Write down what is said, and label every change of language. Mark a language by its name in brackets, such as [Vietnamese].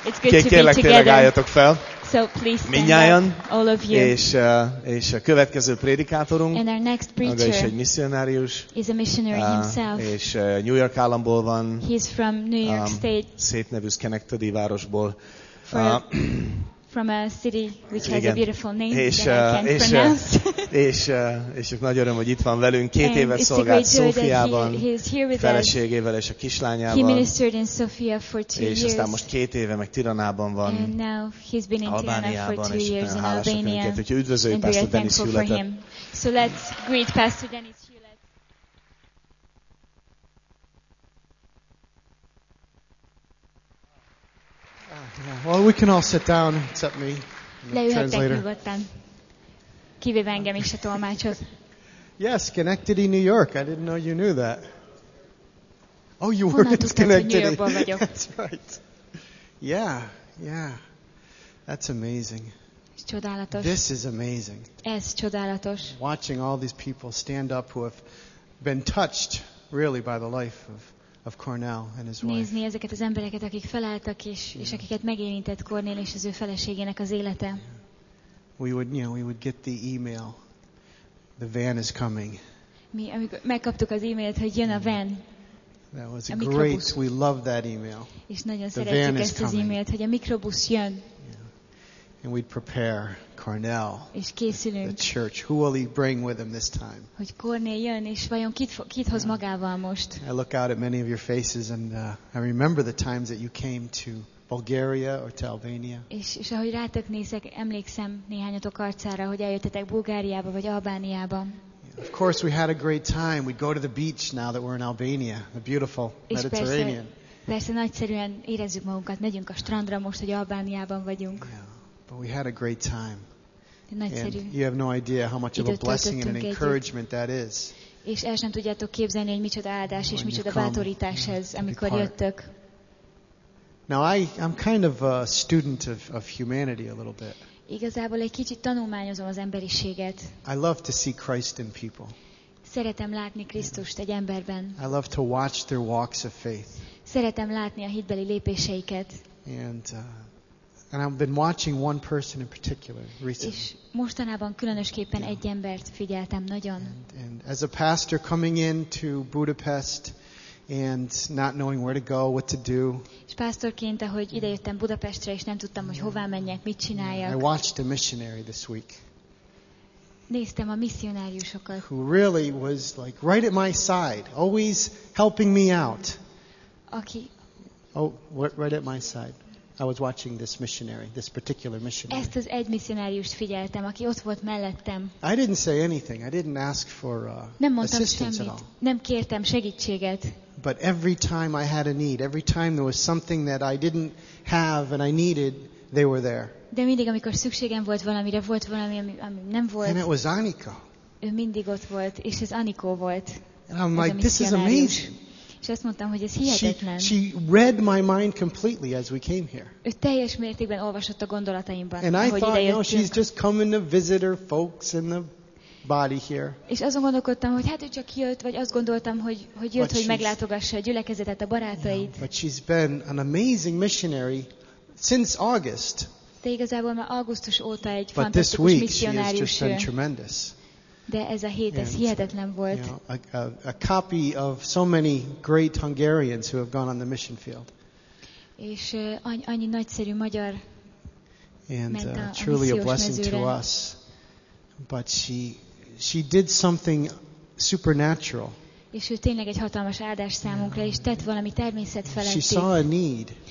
[Hungarian] Kérlek, tényleg álljatok fel. [English] So please stand [Hungarian] mindnyájan, [English] up, all of you. [Hungarian] És a következő prédikátorunk, [English] and our next preacher, [Hungarian] maga is egy misszionárius, [English] is a missionary himself. [Hungarian] És New York államból van, [English] he's from New York State, [Hungarian] szép nevű Schenectady városból. [English] from a city which has a beautiful name that I can't pronounce. [Hungarian] És nagy öröm, hogy itt van velünk. Két éve szolgált Szófiában, feleségével és a kislányával. [English] He ministered in Sofia for 2 years. [Hungarian] És aztán most két éve meg Tiranában van. [English] And now he's been in Tirana for 2 years in Albania. [Hungarian] Úgyhogy üdvözöljük Pastor Denis Hewlett-et. [English] So let's greet Pastor Denis Hewlett. Yeah, well, we can all sit down, except me, the translator. [Hungarian] Kivéve engem is a tolmácshoz. [English] Yes, Schenectady, New York. I didn't know you knew that. Oh, you [Hungarian] Honnan [English] were in Schenectady. [Hungarian] New York-ból vagyok. [English] That's right. Yeah, yeah. That's amazing. [Hungarian] Csodálatos. [English] This is amazing. [Hungarian] Ez csodálatos. [English] Watching all these people stand up who have been touched, really, by the life of Cornell and his wife. [Hungarian] Nézni ezeket az embereket, akik felálltak és akiket megérintett Cornell és az ő feleségének az élete. [English] We would get the email. The van is coming. [Hungarian] Mi amikor megkaptuk az e-mailt, hogy jön a van. [English] That was great. We love that email. [Hungarian] És nagyon szeretjük ezt az e-mailt, hogy a mikrobusz jön. [English] Yeah. And we'd prepare Cornell. [Hungarian] És készülünk. [English] The church. Who will he bring with him this time? [Hungarian] Hogy Cornél jön, és vajon kit hoz magával most? [English] I look out at many of your faces, and I remember the times that you came to Bulgaria or to Albania. [Hungarian] És ahogy rátok nézek, emlékszem néhányatok arcára, hogy eljöttetek Bulgáriába vagy Albániába. [English] Of course, we had a great time. We'd go to the beach now that we're in Albania, the beautiful Mediterranean. [Hungarian] Persze nagyszerűen érezzük magunkat, megyünk a strandra most, hogy Albániában vagyunk. [English] Yeah. But we had a great time. [Hungarian] Nagyszerű. [English] And you have no idea how much of a blessing and an encouragement that is. [Hungarian] És el sem tudjátok képzelni, hogy micsoda áldás és micsoda bátorítás ez, amikor jöttök. [English] Now I'm kind of a student of humanity a little bit. [Hungarian] Igazából egy kicsit tanulmányozom az emberiséget. [English] I love to see Christ in people. [Hungarian] Szeretem látni Krisztust egy emberben. [English] I love to watch their walks of faith. [Hungarian] Szeretem látni a hitbeli lépéseiket. [English] And I've been watching one person in particular recently. [Hungarian] És mostanában különösképpen egy embert figyeltem nagyon. [English] And as a pastor coming in to Budapest and not knowing where to go, what to do. [Hungarian] És pásztorként, ahogy idejöttem Budapestre, és nem tudtam, hogy hová menjek, mit csináljak. [English] I watched a missionary this week. [Hungarian] Néztem a misszionáriusokat. [English] Who really was like right at my side, always helping me out. [Hungarian] Aki. [English] Oh, right at my side. I was watching this missionary, this particular missionary. [Hungarian] Ezt az egy missionáriust figyeltem, aki ott volt mellettem. [English] I didn't say anything. I didn't ask for assistance at all. [Hungarian] Nem kértem segítséget. [English] But every time I had a need, every time there was something that I didn't have and I needed, they were there. [Hungarian] De mindig, amikor szükségem volt valamire, volt valami, ami nem volt. [English] And it was Anika. [Hungarian] Ő mindig ott volt, és ez Anikó volt. [English] And I'm like, this is amazing. [Hungarian] És azt mondtam, hogy ez hihetetlen. [English] She read my mind completely as we came here. [Hungarian] Ő teljes mértékben olvasott a gondolataimban, [English] and [Hungarian] ahogy idejöttünk. [English] And I thought, no, she's just coming to visit her folks in the body here. [Hungarian] És azon gondolkodtam, hogy hát ő csak jött, vagy azt gondoltam, hogy jött, hogy meglátogassa a gyülekezetet, a barátait. [English] But she's been an amazing missionary since August. [Hungarian] De igazából már augusztus óta egy [English] but [Hungarian] fantasztikus missionárius. [English] But this week she has just been tremendous. [Hungarian] De ez a hét, ez hihetetlen volt. [English] You know, a copy of so many great Hungarians who have gone on the mission field. [Hungarian] És annyi nagyszerű magyar. [English] And truly a blessing [Hungarian] mezőre. [English] To us. But she did something supernatural. [Hungarian] És ő tényleg egy hatalmas áldás számunkra, és tett valami természetfeletti. [English] She saw a need.